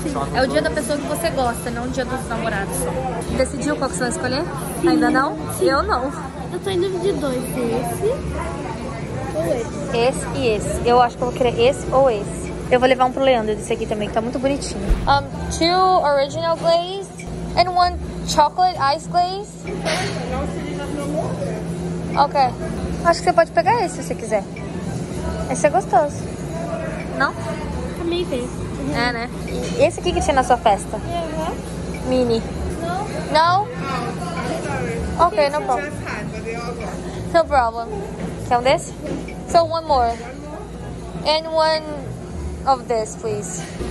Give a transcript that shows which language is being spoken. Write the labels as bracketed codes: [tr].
[pt] Sim. É o dia da pessoa que você gosta, não o dia dos namorados só. Decidiu qual que você vai escolher? Sim. Ainda não? Sim. Eu não. Eu tô em dúvida de dois. Esse ou esse? Esse e esse. Eu acho que eu vou querer esse ou esse. Eu vou levar um pro Leandro desse aqui também, que tá muito bonitinho. [en] Two original glazed and one chocolate ice glaze. [pt] Ok. Acho que você pode pegar esse se você quiser. Esse é gostoso. Não? Também tem. É, né? E esse aqui que tinha na sua festa? Uhum. Mini. Não? Não? Não. [en] Ok, no problem. No problem. [pt] Quer um desse? [en] So one more. And one... of this, please.